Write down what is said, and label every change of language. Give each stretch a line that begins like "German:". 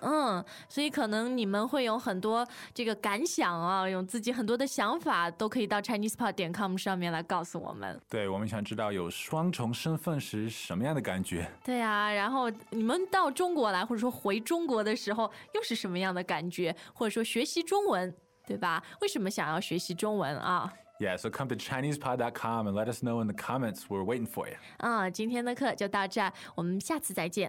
Chinese: 嗯，所以可能你们会有很多这个感想啊，有自己很多的想法，都可以到 ChinesePod.com 上面来告诉我们。对，我们想知道有双重身份时什么样的感觉。对啊，然后你们到中国来或者说回中国的时候又是什么样的感觉，或者说学习中文，对吧？为什么想要学习中文啊？
English: Yeah, so come to ChinesePod.com and let us know in the comments. We're waiting for you.
Chinese: 今天的课就到这儿，我们下次再见。